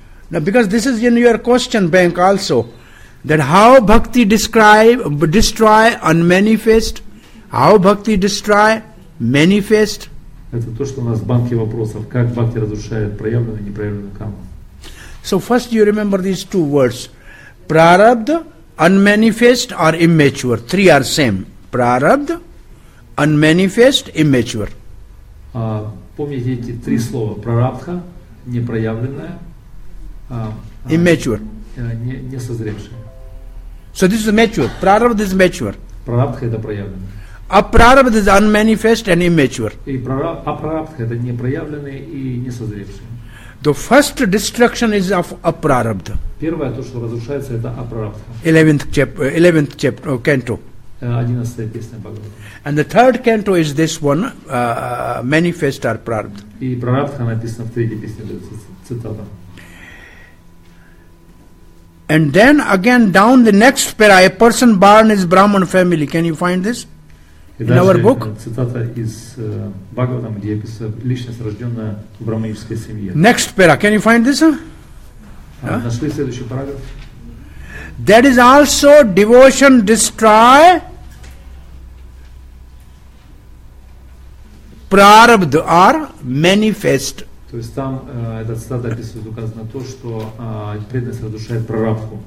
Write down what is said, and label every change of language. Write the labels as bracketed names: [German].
[English] Now, because this is in your question bank also, that how bhakti destroy unmanifest, how bhakti destroy manifest. [Russian] Это то, что у нас в банке вопросов, как бхакти разрушает проявленную, непроявленную карму. [English] So first you remember these two words. Prarabdha, unmanifest or immature. Three are same. Prarabdha, unmanifest, immature. [Russian] Помните эти три слова. Прарабдха, непроявленная. [English] Immature. [Russian] Несозревшая. [English] So this is mature. Prarabdha is mature. [Russian] Прарабдха это проявленная. [English] А прарабдха is unmanifest and immature. [Russian] И прарабдха это непроявленная и несозревшая. [English] The first destruction is of aprarabdha. [Russian] Первое то, что разрушается, это aprarabdha. [English] 11th canto. [Russian] 11th песня Бхагаватам. [English] And the third canto is this one, manifest or prarabdha. [Russian] И прарабдха написано в третьей песне, цитата. [English] And then again down the next para, a person born is Brahman family. Can you find this in our book? [Russian] Цитата из Бхагаватам, где описывается личность, рожденная в брахманической семье. [English] Next para, can you find this? [Russian] Нашли следующий параграф. [English] That is also devotion destroy prarabdha or manifest. [Russian] То есть там этот цитата описывает, указывает на то, что преданность разрушает прарабдху.